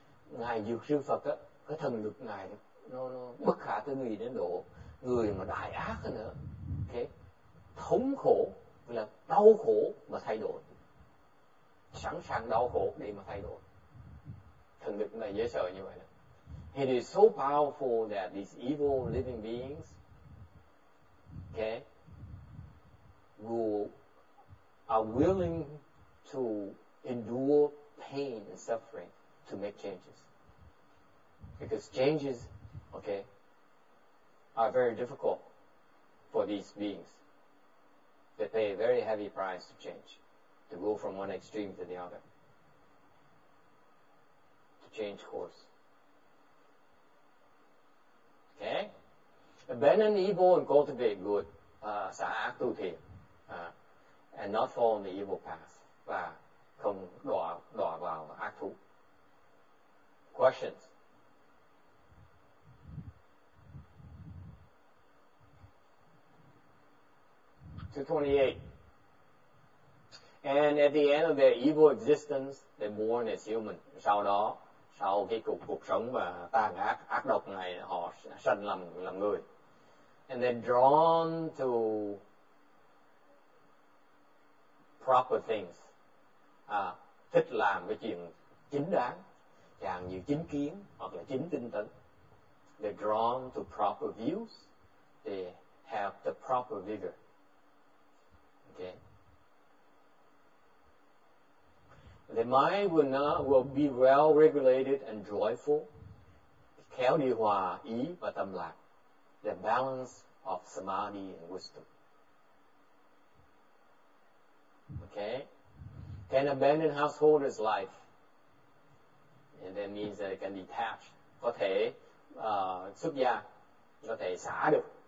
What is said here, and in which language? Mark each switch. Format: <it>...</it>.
<vi>Ngài Dược Sư Phật á, cái thần lực Ngài nó bất khả tư nghị đến độ người mà đại ác nữa. Okay. Thống khổ là đau khổ mà thay đổi. Sẵn sàng đau khổ để mà thay đổi. Thần lực này dễ sợ như vậy đó.</vi> <en>It is so powerful that these evil living beings, okay, who are willing to endure pain and suffering to make changes. Because changes, okay, are very difficult for these beings. They pay a very heavy price to change, to go from one extreme to the other, to change course. Okay? Abandon evil and cultivate good,</en> <vi>xả ác tu thiện,</vi> <en>and not fall on the evil path,</en> <vi>và không đọa vào ác thú.</vi> <en>Questions? To 28. And at the end of their evil existence, they're born as human.</en> <vi>Sau đó, sau cái cuộc sống mà tàn ác, ác độc này, họ sanh làm người.</vi> <en>And they're drawn to proper things.</en> <vi>Thích làm cái chuyện chính đáng, chẳng như chính kiến hoặc là chính tinh tấn.</vi> <en>They're drawn to proper views. They have the proper vigor. Okay. Their mind will be well regulated and joyful.</en> <vi>Khéo điều hòa ý và tâm lạc.</vi> <en>The balance of samadhi and wisdom. Okay? Can abandon householder's life. And that means that it can detach.</en> <vi>Có thể xuất gia. Có thể xả được.</vi>